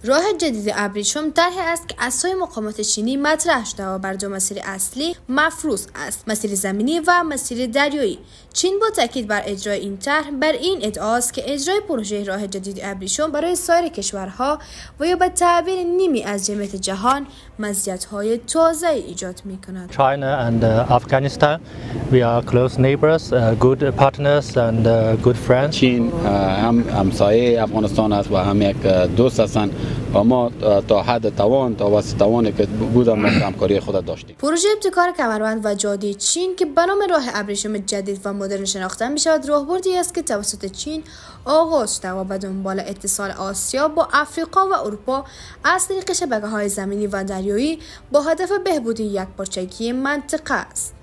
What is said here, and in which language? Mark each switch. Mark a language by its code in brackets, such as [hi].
[fa] راه جدید ابریشم طرحی است که از سوی مقامات چینی مطرح شده و بر دو مسیر اصلی مفروض است، مسیر زمینی و مسیر دریایی. چین با تاکید بر اجرای این طرح بر این ادعا است که اجرای پروژه راه جدید ابریشم برای سایر کشورها و یا به تعبیر نیمی از جمعیت جهان مزیت‌های تازه ایجاد می‌کند. [en] China and Afghanistan, we are close neighbors, good partners and good friends. [fa] چین هم همسایه افغانستان است و هم یک دوست هستند و ما تا حد توان تا وسط توانی که بودم همکاری خود داشتیم. پروژه ابتکار کمربند و جاده چین که به نام راه ابریشم جدید و مدرن شناخته می شود، راهبردی است که توسط چین آغاز شده و به دنبال اتصال آسیا با آفریقا و اروپا از طریق شبکه‌های زمینی و دریایی با هدف بهبود یکپارچگی منطقه است.